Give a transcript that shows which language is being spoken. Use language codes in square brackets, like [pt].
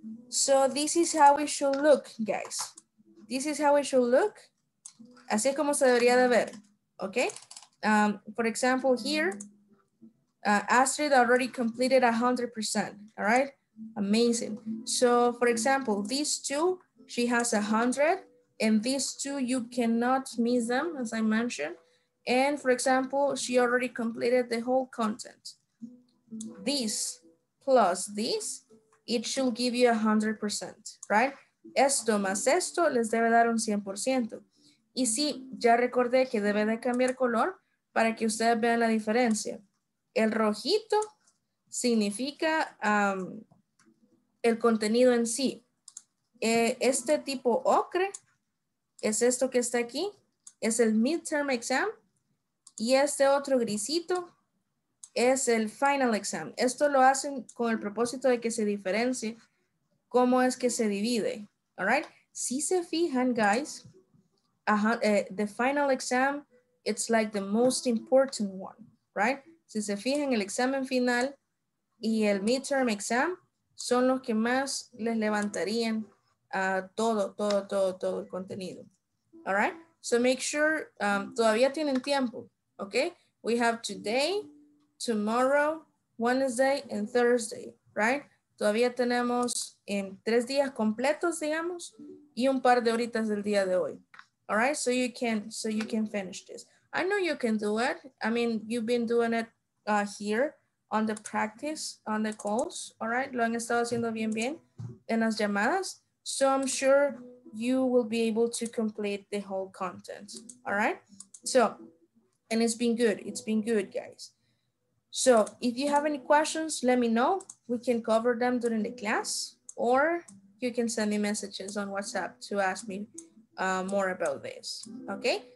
[en] So this is how it should look, guys. This is how it should look. [es] Así es como se debería de ver, okay? [en] For example, here, Astrid already completed 100%, all right? Amazing. So for example, these two, she has 100, and these two, you cannot miss them, as I mentioned. And for example, she already completed the whole content. This plus this, it should give you 100%, right? [es] Esto más esto les debe dar un 100%. Y sí, ya recordé que debe de cambiar color para que ustedes vean la diferencia. El rojito significa el contenido en sí. Este tipo ocre es esto que está aquí, es el midterm exam. Y este otro grisito es el final exam. Esto lo hacen con el propósito de que se diferencie cómo es que se divide. [en] All right? [es] Si se fijan, [en] guys, the final exam, it's like the most important one, right? [es] Si se fijan, el examen final y el midterm exam son los que más les levantarían todo el contenido. [en] All right? So make sure, [es] todavía tienen tiempo. [en] Okay, we have today, tomorrow, Wednesday, and Thursday, right? [es] Todavía tenemos en 3 días completos, digamos, y un par de horitas del día de hoy. [en] All right, so you can finish this. I know you can do it. I mean, you've been doing it here on the practice, on the calls, all right? [es] Lo han estado haciendo bien bien en las llamadas. [en] So I'm sure you will be able to complete the whole content, all right? So. And it's been good, guys. So if you have any questions, let me know. We can cover them during the class, or you can send me messages on WhatsApp to ask me more about this, okay?